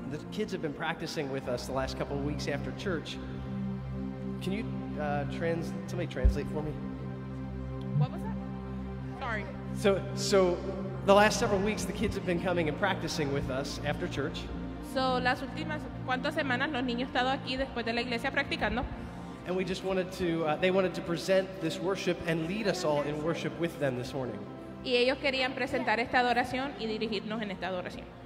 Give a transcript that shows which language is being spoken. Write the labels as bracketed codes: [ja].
[en] Kids have been practicing with us the last couple of weeks after church. Can you somebody translate for me? What was that? Sorry. So the last several weeks the kids have been coming and practicing with us after church. [es] So las últimas cuántas semanas los niños han estado aquí después de la iglesia practicando. [en] And we just wanted to they wanted to present this worship and lead us all in worship with them this morning. [es] Y ellos querían presentar esta adoración y dirigirnos en esta adoración.